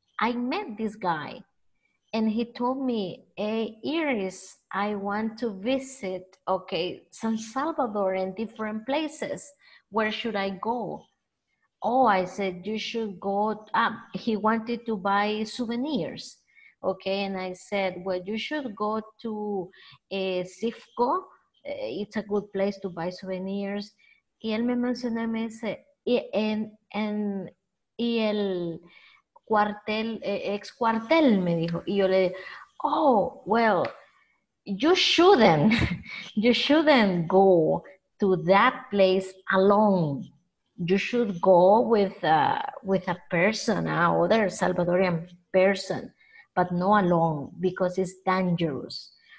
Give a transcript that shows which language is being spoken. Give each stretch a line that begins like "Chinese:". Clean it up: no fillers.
English: I met this guy and he told me, hey, Iris, I want to visit, okay, San Salvador and different places. Where should I go? Oh, I said, you should go up. He wanted to buy souvenirs. Okay, and I said, well, you should go to Cifco. It's a good place to buy souvenirs.
Spanish: Y él me mencionó, me dice, y el cuartel, ex cuartel, me dijo. Y yo le dije,
English: oh, well, you shouldn't go to that place alone. You should go with a person, another Salvadorian person, but not alone because it's dangerous.